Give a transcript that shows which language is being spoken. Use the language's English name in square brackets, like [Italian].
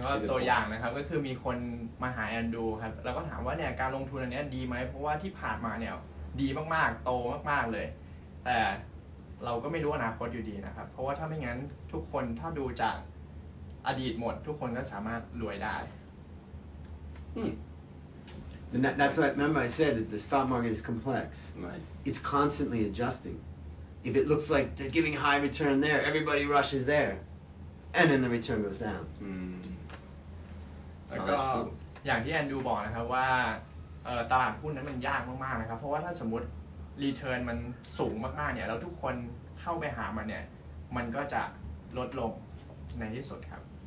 [Thai] ตัวอย่างนะครับก็คือมีคนมาหาแอนดูครับแล้วก็ถามว่าเนี่ยการลงทุนอันนี้ดีไหมเพราะว่าที่ผ่านมาเนี่ยดีมากๆโตมากๆเลยแต่เราก็ไม่รู้อนาคตอยู่ดีนะครับเพราะว่าถ้าไม่งั้นทุกคนถ้าดูจากอดีตหมดทุกคนก็สามารถรวยได้ [English] And that's what I remember I said, that the stock market is complex. Right. It's constantly adjusting. If it looks like they're giving high return there, everybody rushes there. And then the return goes down. [Thai] แล้วก็อย่างที่แอนดูบอกนะครับว่าตลาดหุ้นนั้นมันยากมากๆนะครับเพราะว่าถ้าสมมุติรีเทิร์นมันสูงมากๆเนี่ยแล้วทุกคนเข้าไปหามันเนี่ยมันก็จะลดลงในที่สุดครับ